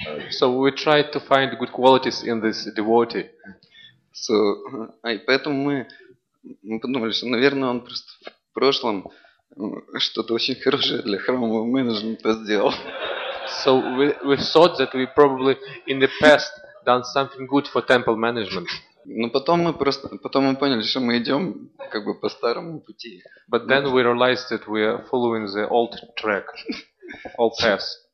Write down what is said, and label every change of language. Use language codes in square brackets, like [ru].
[en] So we tried to find good qualities in this devotee. [ru] So, и поэтому мы подумали, что, наверное, он просто в прошлом что-то очень хорошее для храмового менеджмента сделал. [en] So we thought that we probably in the past done something good for temple management. [ru] Но потом мы поняли, что мы идем как бы по старому пути. [en] But then we realized that we are following the old track, old path.